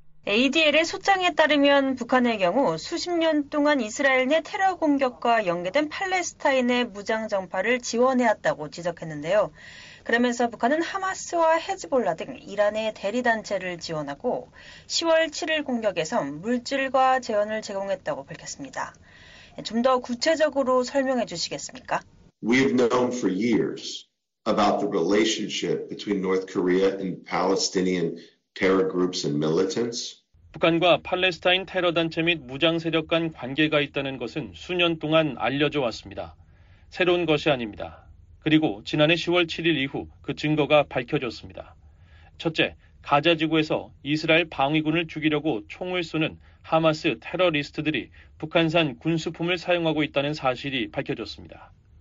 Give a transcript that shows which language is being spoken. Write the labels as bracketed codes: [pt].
[ko] ADL의 소장에 따르면 북한의 경우 수십 년 동안 이스라엘 내 테러 공격과 연계된 팔레스타인의 무장정파를 지원해왔다고 지적했는데요. 그러면서 북한은 하마스와 헤즈볼라 등 이란의 대리단체를 지원하고 10월 7일 공격에선 물질과 재원을 제공했다고 밝혔습니다. 좀 더 구체적으로 설명해 주시겠습니까? [en] We've known for years about the relationship between North Korea and Palestinian terror groups and militants. [ko] 북한과 팔레스타인 테러 단체 및 무장 세력 간 관계가 있다는 것은 수년 동안 알려져 왔습니다. 새로운 것이 아닙니다. 그리고 지난해 10월 7일 이후 그 증거가 밝혀졌습니다. 첫째, 가자 지구에서 이스라엘 방위군을 죽이려고 총을 쏘는 하마스 테러리스트들이 북한산 군수품을 사용하고 있다는 사실이 밝혀졌습니다.